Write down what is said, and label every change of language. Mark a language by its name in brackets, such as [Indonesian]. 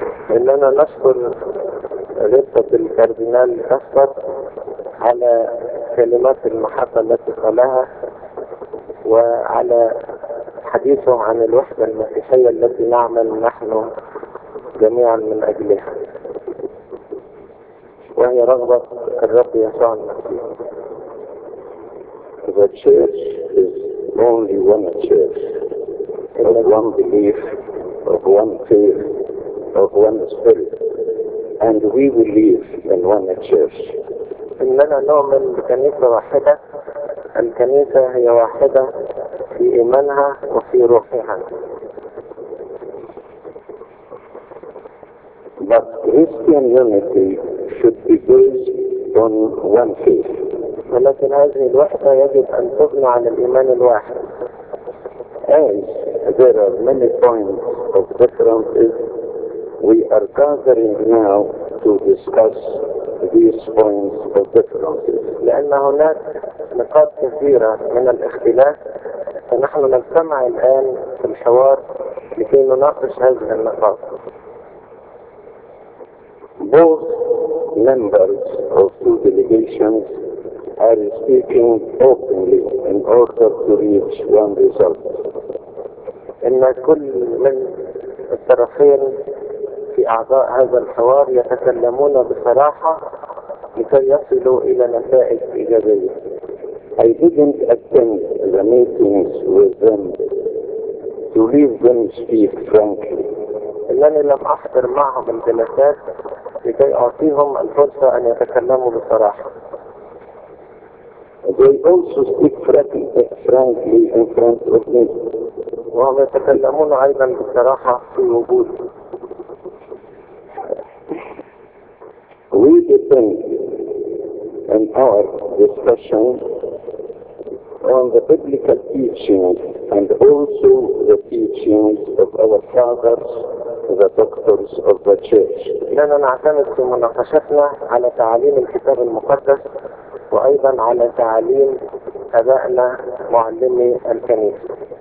[Arabic] إننا نشكر رئاسة الكاردينال كاسبر على كلمات المحبة التي قالها وعلى حديثه عن الوحدة المسيحية التي نعمل نحن جميعا من أجلها. وهي رغبة الرب يسوع المسيح. [English] The church is only one church, of one belief, of one faith, of one spirit, and we believe in one church. [Arabic] إننا نؤمن بكنيسة واحدة. الكنيسة هي واحدة في إيمانها وفي روحها. [English] But Christian unity should be based on one faith. [Arabic] ولكن هذه الوحدة يجب أن تبنى على الإيمان الواحد. [English] As there are many points of differences. We are gathering now to discuss these points of differences. [Arabic] لأن هناك نقاط كثيرة من الاختلاف. فنحن نجتمع الآن في الحوار لكي نناقش هذه النقاط. [English] Both members of two delegations are speaking openly in order to reach one result. [Arabic] إن كل من الطرفين في أعضاء هذا الحوار يتكلمون بصراحة لكي يصلوا إلى نتائج إيجابية. [English] I didn't attend the meetings with them to leave them speak frankly. [Arabic] إنني لم أحضر معهم الجلسات لكي أعطيهم الفرصة أن يتكلموا بصراحة. [English] They also speak frankly in front of me. [Arabic] وهم يتكلمون أيضا بصراحة في وجود. [English] We depend in our discussion on the biblical teachings and also the teachings of our fathers, the doctors of the church. [Arabic] لأننا نعتمد في مناقشتنا على تعاليم الكتاب المقدس وأيضا على تعاليم آبائنا معلمي الكنيسة.